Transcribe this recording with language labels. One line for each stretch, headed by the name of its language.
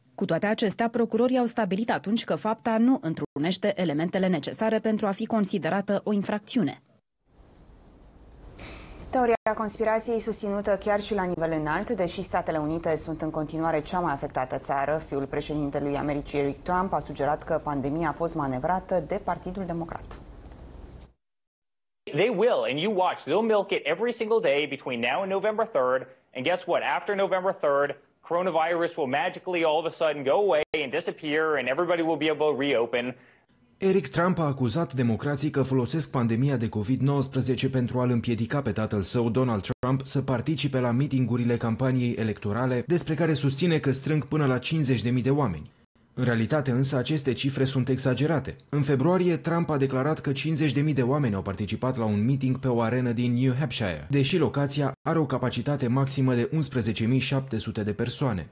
Romanian: Cu toate acestea, procurorii au stabilit atunci că fapta nu întrunește elementele necesare pentru a fi considerată o infracțiune. Teoria conspirației susținută chiar și la nivel înalt, deși Statele Unite sunt în continuare cea mai afectată țară, fiul președintelui Americii Eric Trump a sugerat că pandemia a fost manevrată de Partidul Democrat.
English: They will, and you watch, they'll milk it every single day between now and November 3rd, and guess what, after November 3rd, coronavirus will magically all of a sudden go away and disappear and everybody will be able to reopen.
Romanian: Eric Trump a acuzat democrații că folosesc pandemia de COVID-19 pentru a-l împiedica pe tatăl său, Donald Trump, să participe la mitingurile campaniei electorale, despre care susține că strâng până la 50.000 de oameni. În realitate însă aceste cifre sunt exagerate. În februarie, Trump a declarat că 50.000 de oameni au participat la un meeting pe o arenă din New Hampshire, deși locația are o capacitate maximă de 11.700 de persoane.